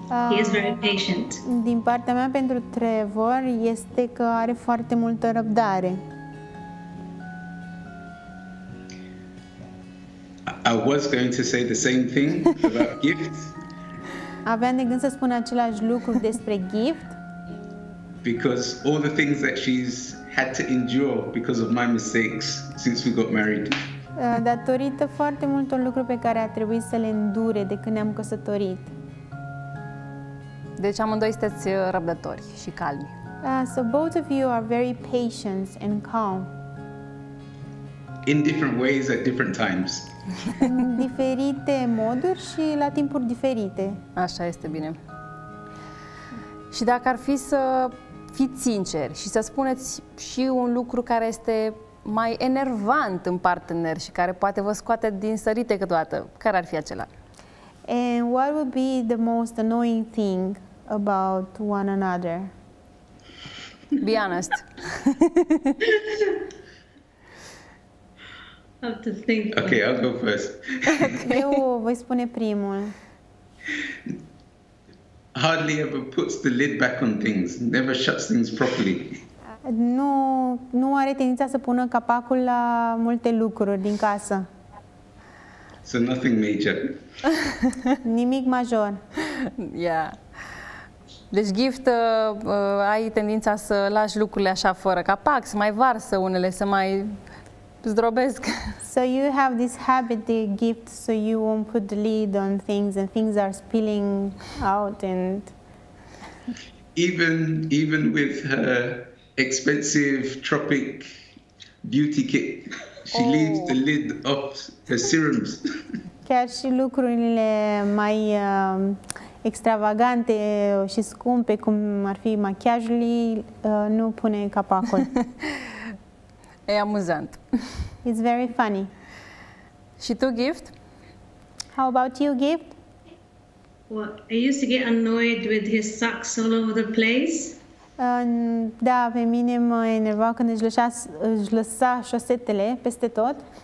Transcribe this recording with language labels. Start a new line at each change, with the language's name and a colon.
English: He is very patient.
Romanian: Din partea mea pentru Trevor este că are foarte multă răbdare.
English: I was going to say the same thing about gifts.
Romanian: Aveam de gând să spun același lucru despre gift.
English: Because all the things that she's had to endure because of my mistakes since we got married.
Romanian: Datorită foarte multor lucruri pe care a trebuit să le îndure de când ne-am căsătorit. Deci amândoi sunteți răbdători și calmi.
English: So both of you are very patient and calm. In different ways at different times.
Romanian: În diferite moduri și la timpuri diferite. Așa este bine. Și dacă ar fi să fiți sinceri și să spuneți și un lucru care este mai enervant în partener și care poate vă scoate din sărite câteodată, care ar fi acela?
English: And what would be the most annoying thing about one another? Be honest. I have to think. Okay, I'll go first.
Romanian: Okay. Eu voi spune primul.
English: Hardly ever puts the lid back on things. Never shuts things properly.
Romanian: Nu are tendința să pună capacul la multe lucruri din casă.
English: So nothing major.
Romanian: Nimic major.
English: Yeah.
Romanian: Deci gift, ai tendința să lași lucrurile așa fără capac, să mai varsă unele, să mai zdrobesc.
English: So you have this habit, the gift, so you won't put the lid on things and things are spilling out and... Even with her expensive tropic beauty kit, she leaves the lid off her serums.
Romanian: Chiar și lucrurile mai extravagante și scumpe, cum ar fi machiajul, nu pune capacul. E amuzant.
English: It's very funny.
Romanian: Și tu, Gift?
English: How about you, Gift? Well, I used to get annoyed with his socks all over the place.
Romanian: Da, pe mine mă enerva când își lăsa șosetele peste tot.